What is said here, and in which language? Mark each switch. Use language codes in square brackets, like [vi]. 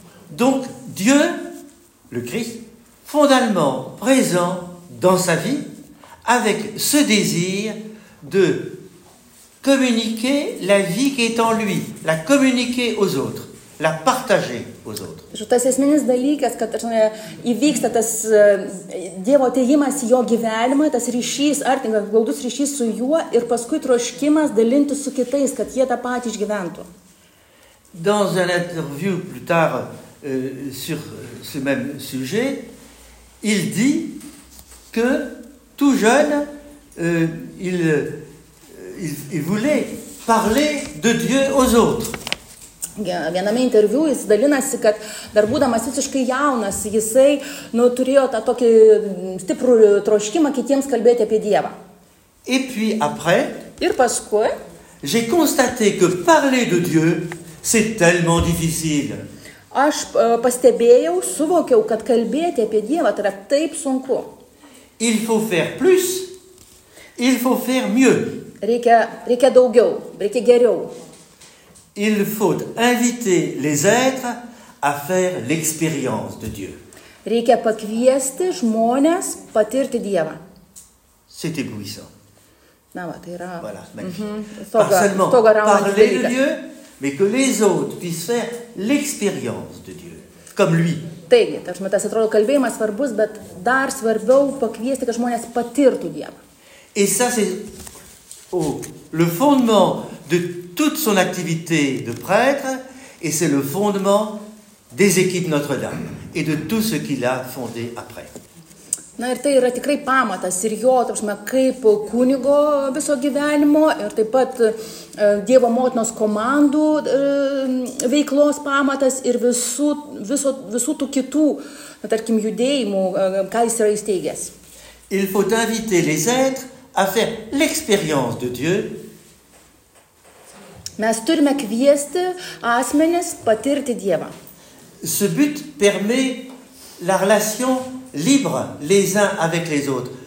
[fr] Donc Dieu le Christ fondamentalement présent dans sa vie avec ce désir de communiquer la vie qui est en lui, la communiquer aux autres, la partager aux autres. [lt] Je tas esminis dalykas, kad įvyksta tas Dievo atėjimas į jo gyvenimą, tas ryšys, artingas glaudus ryšys su juo ir paskui troškimas dalintis su kitais, kad jie tą patį išgyventų. [fr] Dans une interview plus tard sur ce même sujet, il dit que tout jeune il voulait parler de Dieu aux autres. [lt] Viename interviu jis dalinasi, kad dar būdamas visiškai jaunas, jisai nu, turėjo tą tokį stiprų troškimą kitiems kalbėti apie Dievą. [fr] Et puis après, [lt] ir paskui, [fr] j'ai constaté que parler de Dieu, c'est tellement difficile. [lt] Aš pastebėjau, suvokiau, kad kalbėti apie Dievą yra taip sunku. [fr] Il faut faire plus, il faut faire mieux. [lt] Reikia daugiau, reikia geriau. [fr] Il faut inviter les êtres à faire l'expérience de Dieu. [lt] Reikia pakviesti žmones patirti Dievą. [fr] C'est éblouissant. [lt] Na va, tai yra. [fr] Voilà, magnifique. Stoga, stoga parler de Dieu, mais que les autres puissent faire l'expérience de Dieu, comme lui. [lt] Taigi, tas atrodo kalbėjimas svarbus, bet dar svarbiau pakviesti, kad žmonės patirtų Dievą. [fr] Et ça c'est le fondement de toute son activité de prêtre et c'est le fondement des équipes Notre-Dame et de tout ce qu'il a fondé après. [lt] Na ir tai yra tikrai pamatas ir jo, tarsi, kaip kunigo viso gyvenimo ir taip pat Dievo motinos komandų veiklos pamatas ir visų tų kitų, na, tarkim, judėjimų, ką jis yra įsteigęs. [fr] Il faut inviter les êtres à faire l'expérience de Dieu. [lt] Mes turime kviesti asmenis patirti Dievą. [fr] Ce but permet la relation libre les uns avec les autres.